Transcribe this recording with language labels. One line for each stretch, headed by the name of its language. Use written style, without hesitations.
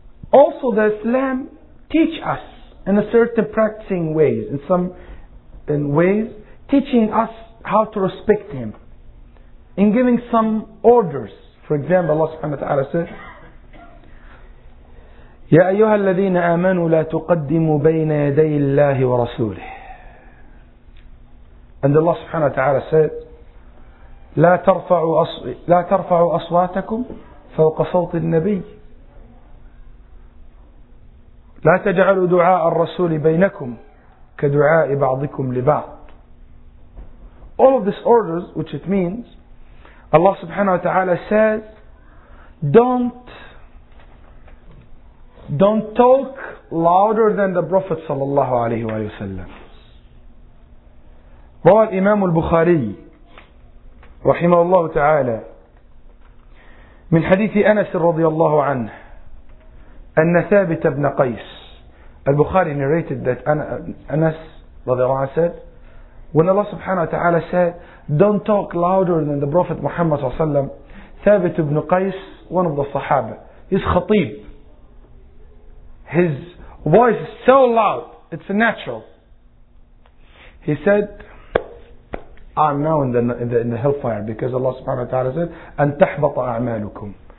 English: Also, the Islam teach us in a certain practicing ways, in ways, teaching us how to respect Him, in giving some orders. For example, Allah subhanahu wa ta'ala says,
Arabic: يَا أَيُّهَا الَّذِينَ آمَنُوا لَا تُقَدِّمُوا بَيْنَ يَدَيِ اللَّهِ وَرَسُولِهِ.
English: And Allah subhanahu wa ta'ala said,
Arabic: لا ترفعوا أصواتكم فوق صوت النبي. لا تجعلوا دعاء الرسول بينكم كدعاء بعضكم لبعض.
English: All of these orders, which it means, Allah subhanahu wa ta'ala says, don't talk louder than the Prophet sallallahu alayhi wa sallam.
Arabic: رواه الإمام البخاري رحمه الله تعالى من حديث أنس رضي الله عنه أن ثابت بن قيس.
English: Al-Bukhari narrated that Anas رضي الله عنه said, when Allah subhanahu wa ta'ala said, don't talk louder than the Prophet Muhammad sallallahu alayhi wa sallam, Thabit ibn Qais, one of the Sahaba, he's khatib. His voice is so loud, it's natural. He said, I'm now in the hellfire, because Allah subhanahu wa ta'ala said,
Arabic: أَن تَحْبَطَ أَعْمَالُكُمْ.